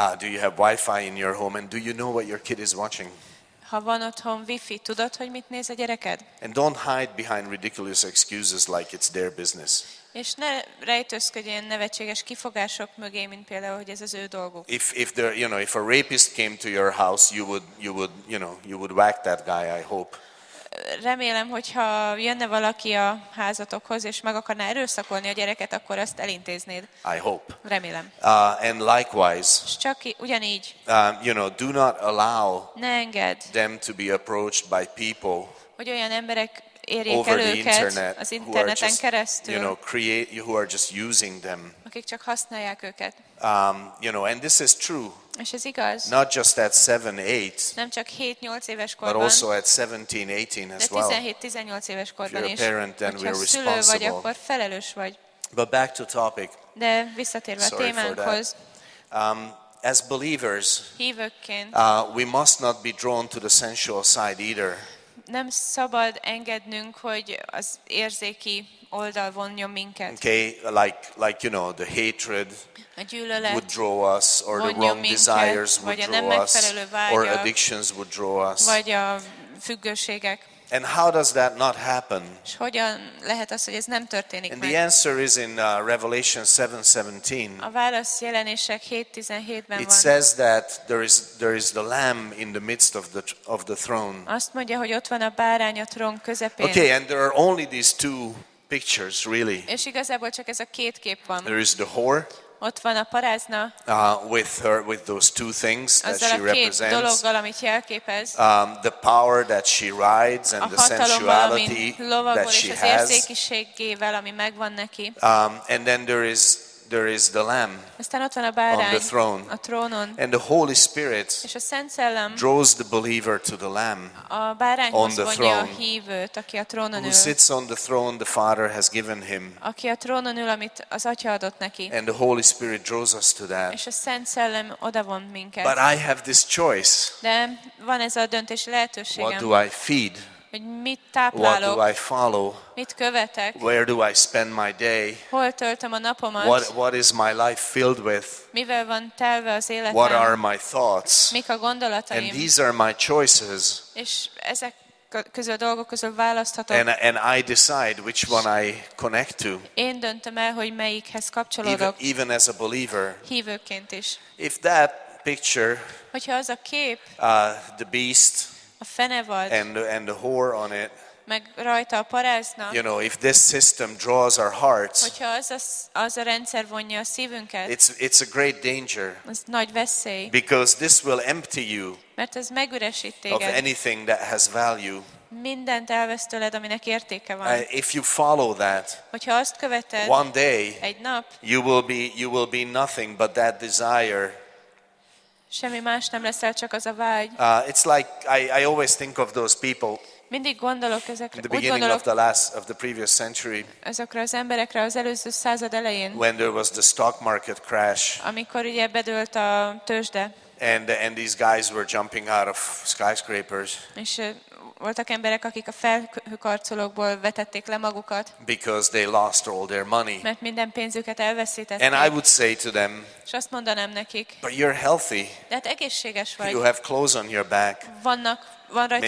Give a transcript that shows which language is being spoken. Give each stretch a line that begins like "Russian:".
English: Do you have Wi-Fi in your home and do you know what your kid is watching?
Hungarian: Ha van otthon wifi, tudod, hogy mit néz a gyereked?
English: And don't hide behind ridiculous excuses like it's their business.
Hungarian: És ne rejtőzködj ilyen nevetséges kifogások mögé, mint például, hogy ez az ő dolguk.
English: If there, you know, if a rapist came to your house, you would, you know, you would whack that guy, I hope.
Hungarian: Remélem, hogyha jönne valaki a házatokhoz és meg akarná erőszakolni a gyereket, akkor azt elintéznéd.
English: I hope.
Hungarian: Remélem.
English: And likewise.
Hungarian: És csak ugyanígy.
English: You know, do not allow.
Hungarian: Ne engedd.
English: Them to be approached by people.
Hungarian: Hogy olyan emberek érjék el őket az interneten keresztül.
English: You know, create, who are just using them.
Hungarian: Akik csak használják őket.
English: You know, and this is true.
Hungarian: És ez igaz.
English: Not just at 7-8.
Hungarian: Nem csak 7-8 éves korban.
English: But also at 17-18 as well.
Hungarian: 17-18 éves korban is.
English: If you're a parent, then we're responsible.
Hungarian: Szülő vagy, akkor felelős vagy.
English: But back to topic.
Hungarian: De visszatérve a témánkhoz.
English: As believers,
Hungarian: hívőként,
English: we must not be drawn to the sensual side either.
Hungarian: Nem szabad engednünk, hogy az érzéki oldal vonjon minket.
English: Okay, like you know, the hatred,
Hungarian: a gyűlölet
English: would draw us, or the wrong
Hungarian: minket,
English: desires would draw
Hungarian: a nem megfelelő vágyak,
English: or addictions would draw us,
Hungarian: vagy a függőségek.
English: And how does that not happen?
Hungarian: És hogyan lehet az, hogy ez nem történik
English: and
Hungarian: meg?
English: The answer is in Revelation 7:17.
Hungarian: A válasz Jelenések 7:17-ben van.
English: It says that there is the lamb in the midst of the throne.
Hungarian: Azt mondja, hogy ott van a bárány a trón közepén.
English: Okay, and there are only these two pictures really.
Hungarian: És igazából csak ez a két kép van.
English: There is the whore.
Hungarian: Ott van a parázna.
English: With those two things that she represents.
Hungarian: Azzal a két dologgal, amit jelképez.
English: The power that she rides and the sensuality that she has.
Hungarian: A hatalom, amit lovagol, és az érzékiségével, ami megvan neki.
English: And then there is the lamb.
Hungarian: Aztán ott van a bárány.
English: On the throne.
Hungarian: A trónon.
English: And the Holy Spirit.
Hungarian: És a Szent Szellem.
English: Draws the believer to the lamb.
Hungarian: A bárányhoz vonja a hívőt, aki a trónon ül.
English: Who sits on the throne the Father has given him.
Hungarian: Aki a trónon ül, amit az Atya adott neki.
English: And the Holy Spirit draws us to that.
Hungarian: És a Szent Szellem odavon minket.
English: But I have this choice.
Hungarian: De van ez a döntési lehetőségem.
English: What do I feed?
Hungarian: Hogy mit táplálok,
English: what do I follow?
Hungarian: Mit követek?
English: Where do I spend my day?
Hungarian: Hol töltöm a napomat?
English: What is my life filled with?
Hungarian: Mivel van telve az életem?
English: What are my thoughts?
Hungarian: Mik a gondolataim?
English: And these are my choices.
Hungarian: És ezek közül a dolgok közül választhatok.
English: And I decide which one I connect to.
Hungarian: Én döntöm el, hogy melyikhez kapcsolódok.
English: Even as a believer.
Hungarian: Hívőként is.
English: If that picture.
Hungarian: Hogyha az a kép.
English: The beast.
Hungarian: A fenevad.
English: And the whore on it.
Hungarian: Meg rajta a parázna.
English: You know, if this system draws our hearts.
Hungarian: Hogyha az a rendszer vonja a szívünket.
English: It's a great danger.
Hungarian: Ez nagy veszély.
English: Because this will empty you.
Hungarian: Mert ez megüresít téged.
English: Of anything that has value.
Hungarian: Mindent elvesz tőled, aminek értéke van.
English: If you follow that.
Hungarian: Hogyha azt követed.
English: One day.
Hungarian: Egy nap.
English: You will be nothing but that desire.
Hungarian: Semmi más nem leszel, csak az a vágy.
English: It's like I always think of those people.
Hungarian: Mindig gondolok ezekre.
English: In the beginning of the previous century.
Hungarian: Ezekre az emberekre az előző század elején.
English: When there was the stock market crash.
Hungarian: Amikor ugye bedőlt a tőzsde.
English: And these guys were jumping out of skyscrapers.
Hungarian: És voltak emberek, akik a felhőkarcolókból vetették le magukat.
English: Because they lost all their money.
Hungarian: Mert minden pénzüket elveszítették.
English: And I would say to them.
Hungarian: És azt mondanám nekik.
English: But you're healthy.
Hungarian: De hát egészséges vagy.
English: You have clothes on your back.
Hungarian: Vannak. Van rajtad